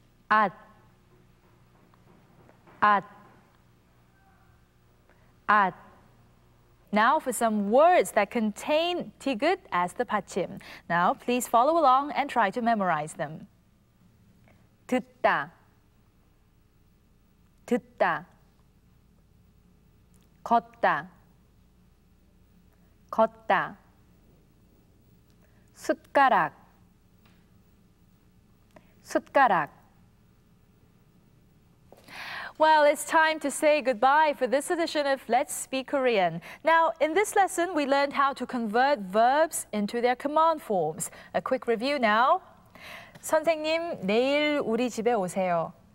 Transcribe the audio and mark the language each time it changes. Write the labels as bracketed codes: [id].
[en] 앗 앗 앗 Now for some words that contain 티귿 as the 받침. Now please follow along and try to memorize them. [ko] 듣다 듣다 걷다 걷다 숟가락 숟가락 [en] Well, it's time to say goodbye for this edition of Let's Speak Korean. Now, in this lesson, we learned how to convert verbs into their command forms. A quick review now. [ko] 선생님, 내일 우리 집에 오세요.